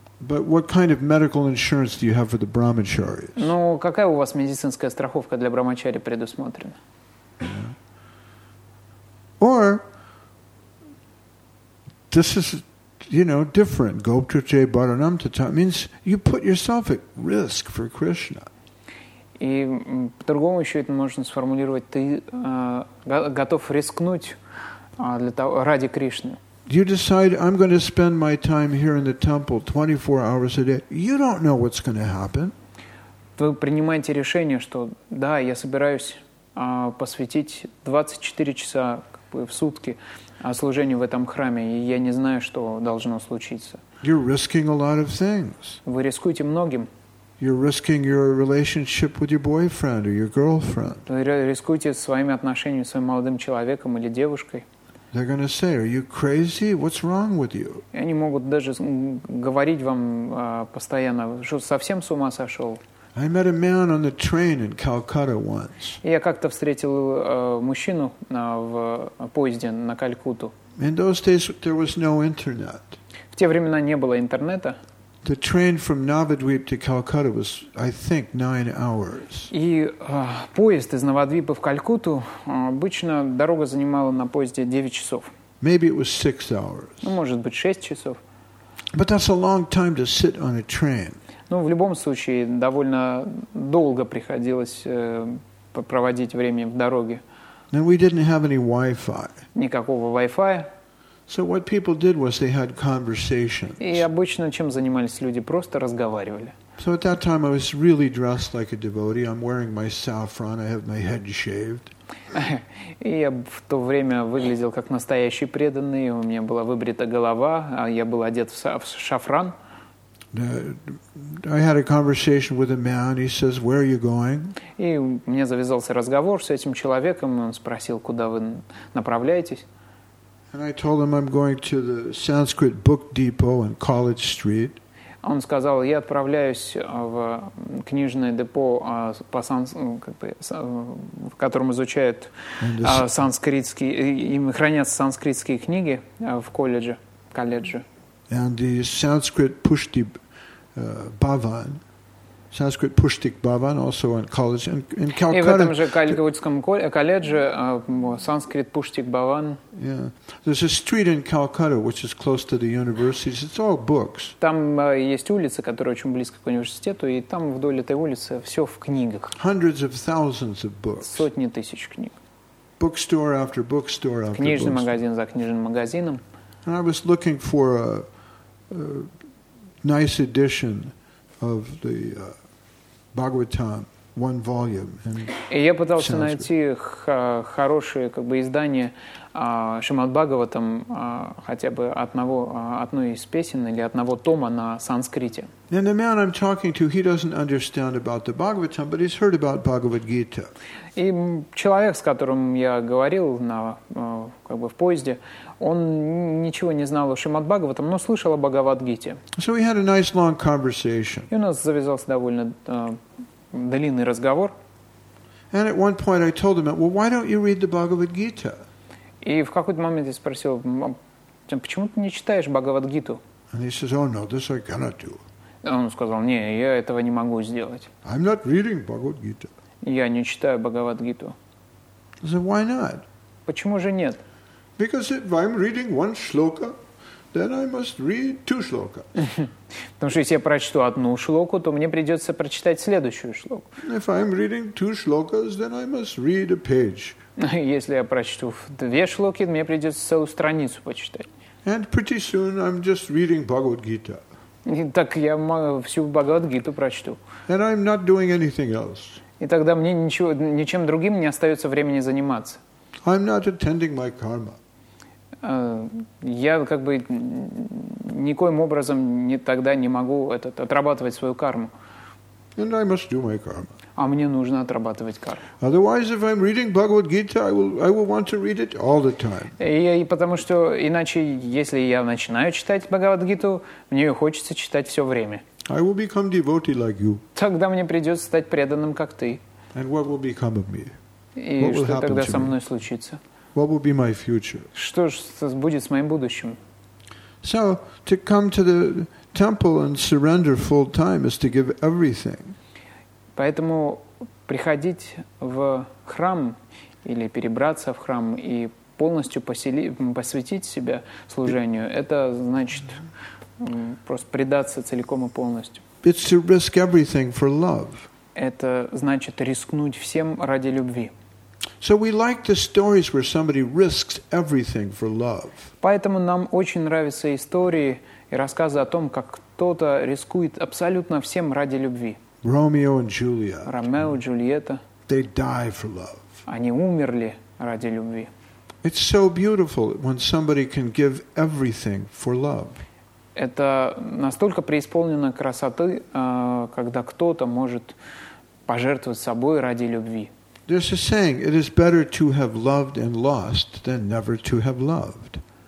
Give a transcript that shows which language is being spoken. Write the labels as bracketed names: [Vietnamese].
[English] But what kind of medical insurance do you have for the brahmacharis? [Russian] Ну, какая у вас медицинская страховка для брахмачари предусмотрена? [English] Yeah. Or, this is, you know, different. Gopcha Bharanam Tata means you put yourself at risk for Krishna. [Russian] И по-другому еще это можно сформулировать. Ты готов рискнуть для того, ради Кришны. [English] You decide, I'm going to spend my time here in the temple 24 hours a day. You don't know what's going to happen. [Russian] Вы принимаете решение, что да, я собираюсь посвятить 24 часа в сутки служению в этом храме, и я не знаю, что должно случиться. [English] You're risking a lot of things. [Russian] Вы рискуете многим. [English] You're risking your relationship with your boyfriend or your girlfriend. [Russian] Вы рискуете своими отношениями с своим молодым человеком или девушкой. [English] They're going to say, "Are you crazy? What's wrong with you?" [Russian] Они могут даже говорить вам постоянно, что совсем с ума сошел. [English] I met a man on the train in Calcutta once. [Russian] Я как-то встретил мужчину в поезде на Калькутту. [English] In those days, there was no internet. [Russian] В те времена не было интернета. [English] The train from Navadvip to Calcutta was, I think, 9 hours. [Russian] И поезд из Навадвипа в Калькутту обычно дорога занимала на поезде 9 часов. [English] Maybe it was 6 hours. [Russian] Ну, может быть, 6 часов. [English] But that's a long time to sit on a train. [Russian] Ну, в любом случае, довольно долго приходилось проводить время в дороге. [English] And we didn't have any Wi-Fi. [Russian] Никакого Wi-Fi. [English] So what people did was they had conversations. [Russian] И обычно чем занимались люди? Просто разговаривали. [English] So at that time I was really dressed like a devotee. I'm wearing my saffron. I have my head shaved. [Russian] И я в то время выглядел как настоящий преданный. У меня была выбрита голова. Я был одет в шафран. [English] I had a conversation with a man. He says, "Where are you going?" [Russian] И мне завязался разговор с этим человеком. Он спросил, куда вы направляетесь. [English] And I told him I'm going to the Sanskrit book depot on College Street. [Russian] Он сказал, я отправляюсь в книжное депо по в котором изучают санскритские, им хранятся санскритские книги в колледже. [English] And the Sanskrit pushti bhavan. Sanskrit Pushtik Bhavan, also in college in Calcutta. [Russian] И в этом же Калькуттском колледже Sanskrit Pushtik Bhavan. [English] Yeah, there's a street in Calcutta which is close to the universities. It's all books. [Russian] Там есть улица, которая очень близко к университету, и там вдоль этой улицы все в книгах. [English] Hundreds of thousands of books. [Russian] Сотни тысяч книг. [English] Bookstore after bookstore after. [Russian] Книжный магазин за книжным магазином. [English] And I was looking for a nice edition of the Bhagavatam, one volume. [Russian] И я пытался найти хорошее издание Шримад Бхагаватам, хотя бы одной из песен или одного тома на санскрите. [English] And the man I'm talking to, he doesn't understand about the Bhagavatam, but he's heard about Bhagavad Gita. [Russian] И человек, с которым я говорил на в поезде, он ничего не знал о Шримад Бхагаватам, но слышал о Бхагавад Гите. [English] So we had a nice long conversation. [Russian] И у нас завязался довольно длинный разговор. [English] And at one point I told him, well, why don't you read the Bhagavad Gita? [Russian] И в какой-то момент я спросил, почему ты не читаешь Бхагавад-гиту? [English] And he says, oh, no, this I cannot do. [Russian] Он сказал, не, я этого не могу сделать. [English] I'm not reading Bhagavad-gita. [Russian] Я не читаю Бхагавад-гиту. [English] I said, why not? [Russian] Почему же нет? [English] Because if I'm reading one shloka, then I must read two shlokas. [Russian] Потому что если я прочту одну шлоку, то мне придется прочитать следующую шлоку. [English] If I'm reading two shlokas, then I must read a page. [Russian] Если я прочту две шлоки, мне придется целую страницу почитать. [English] And pretty soon I'm just reading Bhagavad Gita. [Russian] Так я всю Бхагавад Гиту прочту. [English] And I'm not doing anything else. [Russian] И тогда мне ничем другим не остается времени заниматься. [English] I'm not attending my karma. [Russian] Я как бы никоим образом не тогда не могу этот, отрабатывать свою карму. [English] And I must do my karma. [Russian] А мне нужно отрабатывать карму. [English] Otherwise, if I'm reading Bhagavad Gita, I will want to read it all the time. [Russian] И потому что иначе, если я начинаю читать Бхагавад Гиту, мне ее хочется читать все время. [English] I will become devotee like you. [Russian] Тогда мне придется стать преданным, как ты. [English] And what will become of me? [Russian] И что тогда со мной случится? [English] What will be my future? [Russian] Что ж будет с моим будущим? [English] So to come to the temple and surrender full time is to give everything. [Russian] Поэтому приходить в храм или перебраться в храм и полностью посвятить себя служению, это значит просто предаться целиком и полностью. [English] It's to risk everything for love. [Russian] Это значит рискнуть всем ради любви. [English] So we like the stories where somebody risks everything for love. [Russian] Поэтому нам очень нравятся истории и рассказы о том, как кто-то рискует абсолютно всем ради любви. [English] Romeo and Juliet. [Russian] Ромео и Джульетта. [English] They die for love. [Russian] Они умерли ради любви. [English] It's so beautiful when somebody can give everything for love. [Russian] Это настолько преисполнено красоты, когда кто-то может пожертвовать собой ради любви. [English] There's a saying: it is better to have loved and lost than never to have loved.